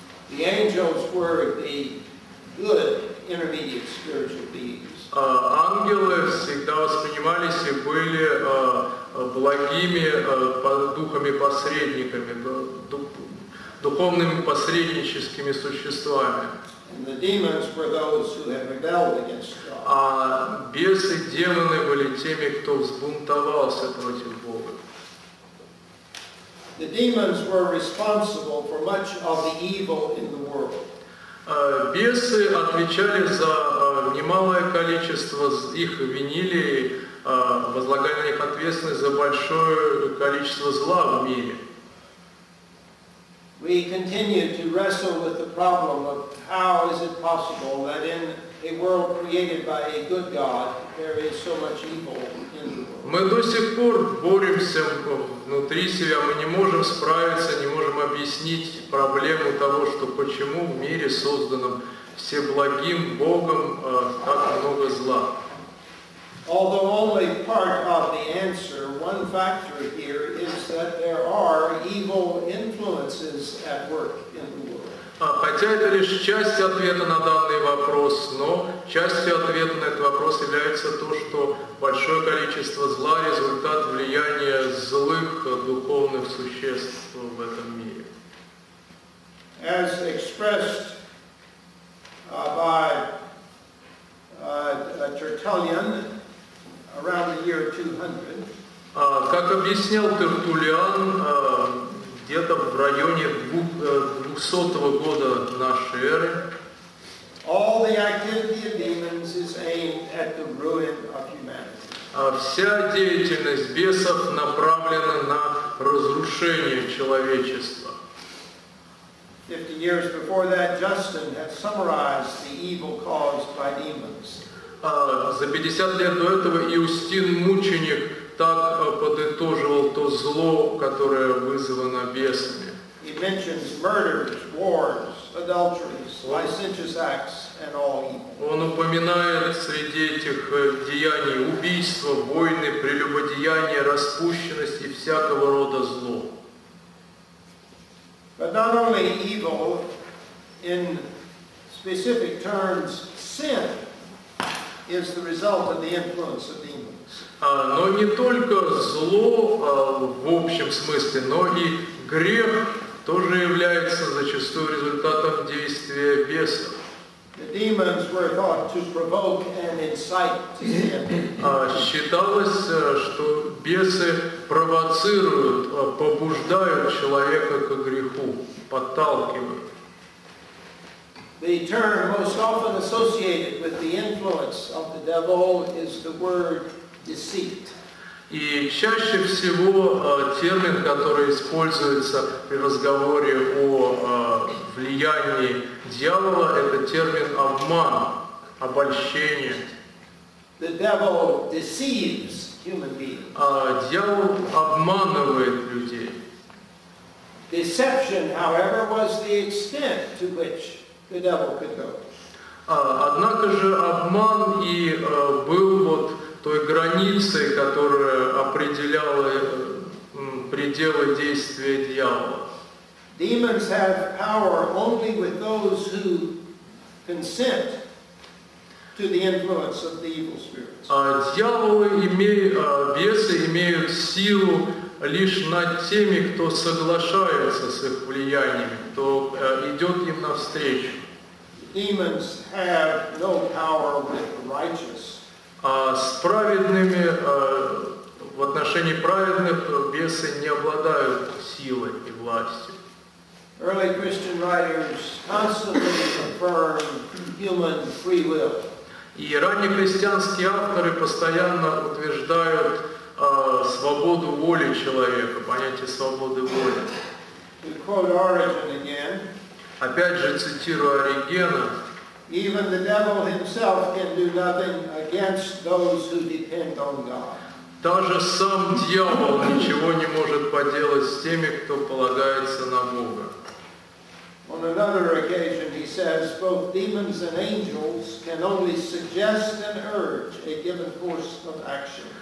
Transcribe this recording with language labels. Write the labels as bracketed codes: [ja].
[en] The angels were the good intermediate spiritual beings. [ru] Ангелы всегда воспринимались и были благими духами-посредниками, духовными посредническими существами. [en] And the demons were those who had rebelled against God. [ru] А бесы, демоны были теми, кто взбунтовался против Бога. [en] The demons were responsible for much of the evil in the world. [ru] Бесы отвечали за немалое количество, их винили, возлагали на них ответственность за большое количество зла в мире. [en] We continue to wrestle with the problem of how is it possible that in a world created by a good God there is so much evil in the world. [ru] Мы до сих пор боремся внутри себя, мы не можем справиться, не можем объяснить проблему того, что почему в мире, созданном всеблагим Богом, так много зла. [en] Although only part of the answer, one factor here is that there are evil influences at work in the world. [ru] Хотя это лишь часть ответа на данный вопрос, но частью ответа на этот вопрос является то, что большое количество зла – результат влияния злых духовных существ в этом мире. [en] As expressed by Tertullian around the year 200. [ru] Как объяснял Тертуллиан, где-то в районе 200 года нашей эры. [en] All the activity of demons is aimed at the ruin of humanity. [ru] Вся деятельность бесов направлена на разрушение человечества. [en] 50 years before that, Justin had summarized the evil caused by demons. [ru] За 50 лет до этого Иустин Мученик так подытоживал то зло, которое вызвано бесами. [en] He mentions murders, wars, adulteries, licentious acts, and all evil. [ru] Он упоминает среди этих деяний убийства, войны, прелюбодеяния, распущенность и всякого рода зло. [en] But not only evil, in specific terms, sin is the result of the influence of demons. [ru] Но не только зло в общем смысле, но и грех тоже является зачастую результатом действия бесов. [en] The demons were thought to provoke and incite to sin. [ru] Считалось, что бесы провоцируют, побуждают человека к греху, подталкивают. [en] The term most often associated with the influence of the devil is the word deceit. [ru] И чаще всего термин, который используется при разговоре о влиянии дьявола, это термин обман, обольщение. [en] The devil deceives human beings. [ru] Дьявол обманывает людей. [en] Deception, however, was the extent to which the devil could go. [ru] Однако же обман и был вот той границей, которая определяла пределы действия дьявола. [en] Demons have power only with those who consent to the influence of the evil spirits. [ru] Бесы имеют силу лишь над теми, кто соглашается с их влиянием, кто идет им навстречу. [en] Demons have no power with the righteous. [ru] С праведными, в отношении праведных бесы не обладают силой и властью. [en] Early Christian writers constantly affirm human free will. [ru] И раннехристианские авторы постоянно утверждают свободу воли человека, понятие свободы воли. [en] To quote Origen again. [ru] Опять же цитирую Оригена. [en] Even the devil himself can do nothing against those who depend on God. [ru] Даже сам дьявол ничего не может поделать с теми, кто полагается на Бога. [en] On another occasion he says, both demons and angels can only suggest and urge a given course of action.